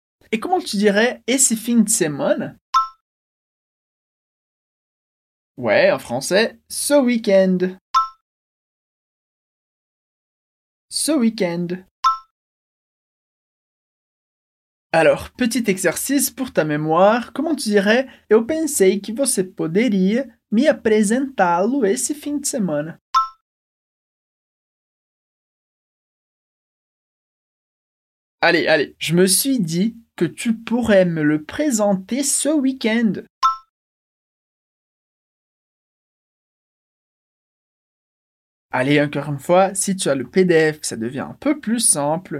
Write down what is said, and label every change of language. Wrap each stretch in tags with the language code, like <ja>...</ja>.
<fr>Et comment tu dirais «</fr> <pt>esse fim de semana » ?</pt> <fr>Ouais, en français, « ce week-end ». Ce week-end. Alors, petit exercice pour ta mémoire. Comment tu dirais</fr> <pt>« Eu pensei que você poderia me apresentá-lo esse fim de semana ».</pt> <fr>Allez, allez, je me suis dit que tu pourrais me le présenter ce week-end. Allez, encore une fois, si tu as le PDF, ça devient un peu plus simple.</fr>